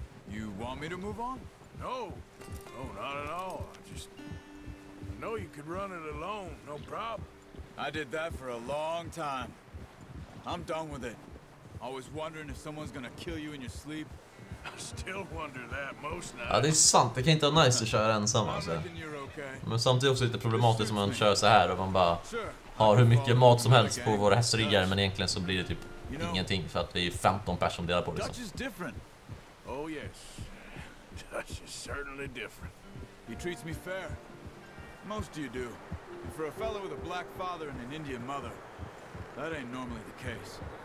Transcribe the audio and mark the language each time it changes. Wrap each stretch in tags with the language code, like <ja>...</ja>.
<en>You want me to move on? No. No, not at all. I know you could run it alone, no problem. I did that for a long time. I'm done with it. Always wondering if someone's gonna kill you in your sleep. I still wonder that most nights.</en> <sv>Ja, det är sant. Det kan inte vara nice att köra ensam alltså. Men samtidigt också lite problematiskt om man kör så här och man bara har hur mycket mat som helst på våra hästryggar, men egentligen så blir det typ ingenting för att vi är 15 personer delar på det.</sv> <en>Dutch is different. Oh yes. Dutch is certainly different. He treats me fair. Most of you do. For a fellow with a black father and an Indian mother, that ain't normally the case.</en>